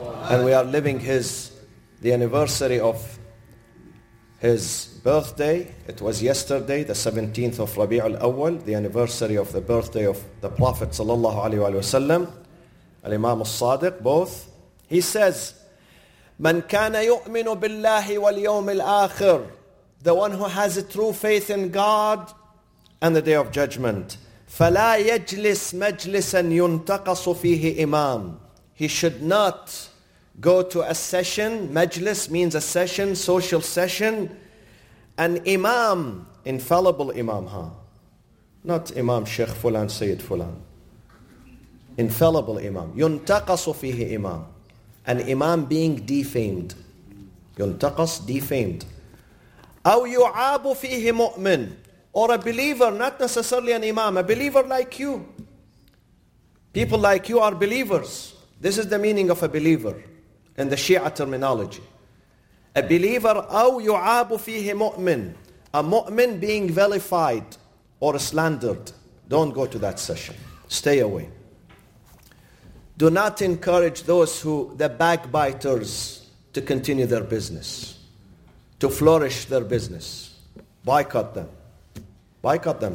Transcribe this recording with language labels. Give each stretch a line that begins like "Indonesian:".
English: And we are living the anniversary of his birthday. It was yesterday, the 17th of Rabi' al-Awwal, the anniversary of the birthday of the Prophet sallallahu alayhi wa sallam, al-Imam al-Sadiq, both. He says,
Arabic: مَنْ كَانَ يُؤْمِنُ بِاللَّهِ وَالْيَوْمِ الْآخِرِ
English: The one who has a true faith in God and the Day of Judgment.
Arabic: فلا يجلس مجلسا ينتقص فيه إمام.
English: He should not go to a session. Majlis means a session, social session. An imam, infallible imam, huh? Not imam, Sheikh Fulan, Sayyid Fulan. Infallible imam.
Arabic: ينتقص فيه إمام.
English: An imam being defamed. ينتقص, defamed.
Arabic: أو يعاب فيه مؤمن.
English: Or a believer, not necessarily an imam, a believer like you. People like you are believers. This is the meaning of a believer in the Shia terminology. A believer,
Arabic: أو يعاب فيه مؤمن.
English: A mu'min being vilified or slandered. Don't go to that session. Stay away. Do not encourage those who, the backbiters, to continue their business, to flourish their business. Boycott them. Boycott them.